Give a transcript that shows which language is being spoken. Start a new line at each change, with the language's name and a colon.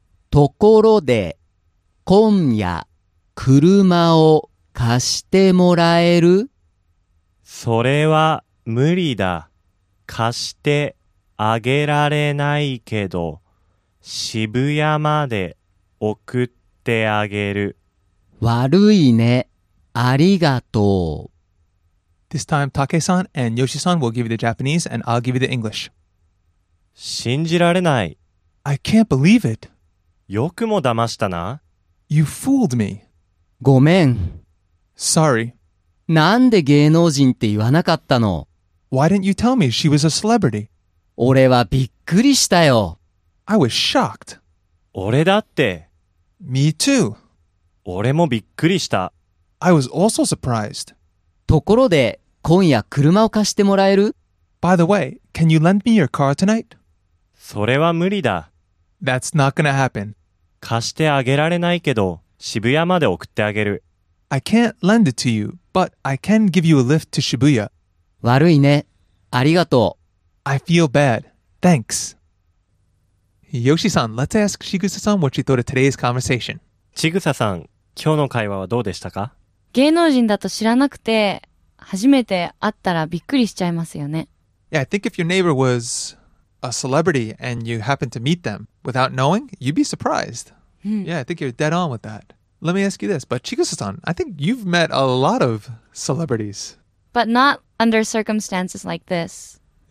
Japanese: ところで今夜車を貸してもらえる？それは無理だ。貸してあげられないけど、渋谷まで送ってあげる。悪いね、ありがとう。
English: This time, Take-san and Yoshi-san will give you the Japanese and I'll give you the English.
Japanese: 信じられない。
English: I can't believe it.
Japanese: よくも騙したな。
English: You fooled me.
Japanese: ごめん。
English: Sorry.
Japanese: なんで芸能人って言わなかったの。
English: Why didn't you tell me she was a celebrity?
Japanese: 俺はびっくりしたよ。
English: I was shocked.
Japanese: 俺だって。
English: Me too.
Japanese: 俺もびっくりした。
English: I was also surprised.
Japanese: ところで今夜車を貸してもらえる。
English: By the way, can you lend me your car tonight?
Japanese: それは無理だ。
English: That's not gonna happen.
Japanese: 貸してあげられないけど、渋谷まで送ってあげる。
English: I can't lend it to you. But I can give you a lift to Shibuya.
Japanese: 悪いね。ありがとう。
English: I feel bad. Thanks. Yoshi-san, let's ask Chigusa-san what she thought of today's conversation.
Japanese: Chigusa-san, 今日の会話はどうでしたか？芸能人だと知らなくて、初めて会ったらびっくりしちゃいますよね。
English: Yeah, I think if your neighbor was a celebrity and you happened to meet them without knowing, you'd be surprised. Yeah, I think you're dead on with that. Let me ask you this, but Chigusa-san, I think you've met a lot of celebrities. But not under circumstances like this.